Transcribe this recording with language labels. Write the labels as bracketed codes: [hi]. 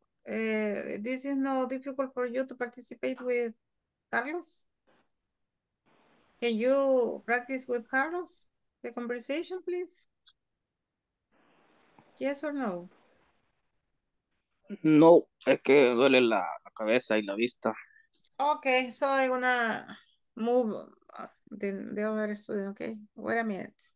[en] This is not difficult for you to participate with Carlos. Can you practice with Carlos the conversation, please? Yes or no? [es] No, es que duele la cabeza y la vista. [en] Okay, so I'm gonna move the other student, okay? Wait a minute.